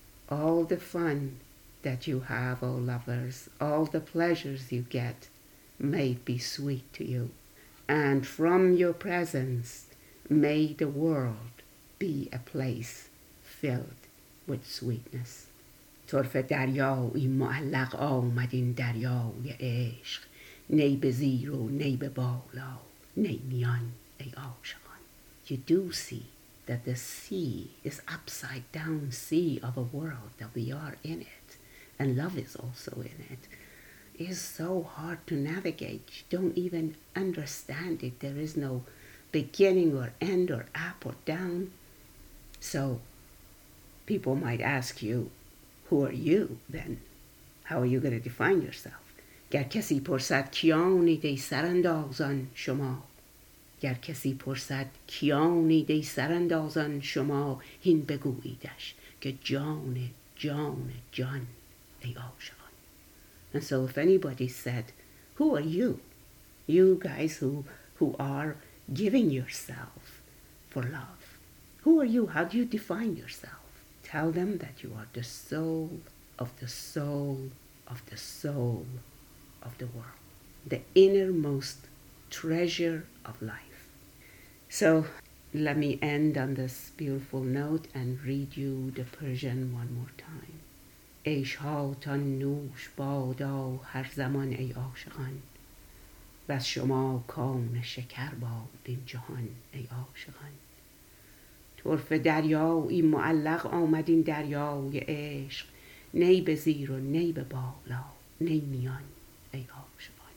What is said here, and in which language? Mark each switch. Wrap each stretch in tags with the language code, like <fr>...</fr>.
<en>All the fun that you have, O lovers, all the pleasures you get, may it be sweet to you. And from your presence, may the world be a place filled with sweetness.</en> <fa>طرف دریایی معلق آمد این دریای عشق، نی به زیر و نی به بالا، نی میان ای عاشقان.</fa> <en>You do see that the sea is upside down sea of a world that we are in it, and love is also in it. It is so hard to navigate, you don't even understand it. There is no beginning or end or up or down. So people might ask you, who are you then? How are you going to define yourself?</en> <fa>گر کسی پرسد کیانی دی سراندازان شما، گر کسی پرسد کیانی دی سراندازان شما، هین بگوییدش که جان جان جان ای عاشق.</fa> <en>And so if anybody said, who are you? You guys who are giving yourself for love. Who are you? How do you define yourself? Tell them that you are the soul of the soul of the soul of the world. The innermost treasure of life. So let me end on this beautiful note and read you the Persian one more time.</en> <fa>عیش ها تا نوش بادا هر زمان ای عاشقان، و از شما کان شکر باد این جهان ای عاشقان. طرف دریایی معلق آمد این دریای عشق، نی به زیر و نی به بالا، نی میان ای عاشقان.</fa>